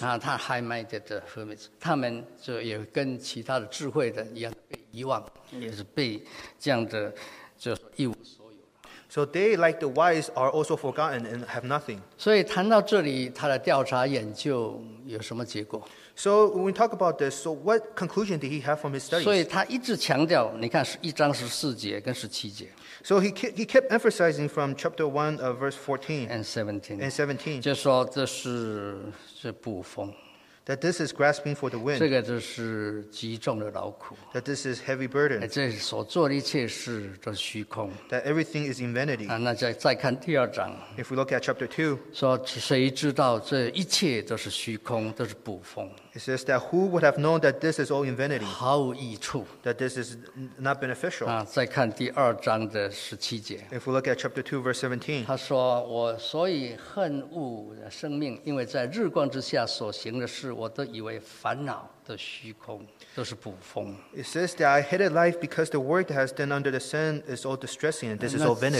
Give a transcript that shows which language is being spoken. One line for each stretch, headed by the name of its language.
English: high-minded hermits, they also with other wisdom, So they, like the wise, are also forgotten and have nothing. So when we talk about this, so what conclusion did he have from his studies?
Chinese: 所以他一直强调, 你看, 1章14节, 跟17节,
English: so he kept emphasizing from chapter 1 of verse 14 and 17. And 17.
Chinese: 就说这是捕风,
English: that this is grasping for the wind.
Chinese: 这个就是极重的劳苦,
English: that this is heavy burden.
Chinese: 这所做的一切事都虚空,
English: that everything is in vanity.
Chinese: 啊, 那再看第二章,
English: if we look at chapter 2,
Chinese: 说谁知道这一切都是虚空, 都是捕风,
English: it says that who would have known that this is all in vanity?
Chinese: 毫无益处,
English: that this is not beneficial.
Chinese: 啊, 再看第二章的17节,
English: if we look at chapter 2, verse 17,
Chinese: 他说我所以恨恶生命, 因为在日光之下所行的事, 我都以为烦恼的虚空, 都是捕风。
English: It says that I hated life because the work that has done under the sun is all distressing, and this is all vanity.